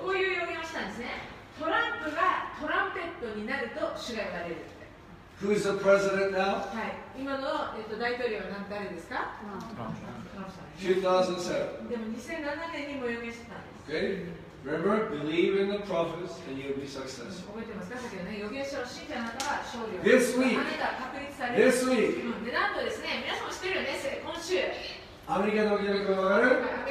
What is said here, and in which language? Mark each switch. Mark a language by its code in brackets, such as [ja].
[ja] こういう予言をしたんですね。トランプがトランペットになると主が言われるって。 [en] Who is the president now? [ja] はい。今の大統領は誰ですか？トランプさん。 [en] 2007. [ja] でも2007年にも予言してたんです。 [en] Okay. Remember, believe in the prophets and you'll be successful. [ja] 覚えてますか？先ほどね、予言者を信じあなたは勝利を。 [en] This week. [ja] あなたは確立される。 [en] This week. [ja] で、なんとですね、皆さんも知ってるよね、今週。アメリカの記録が上がる。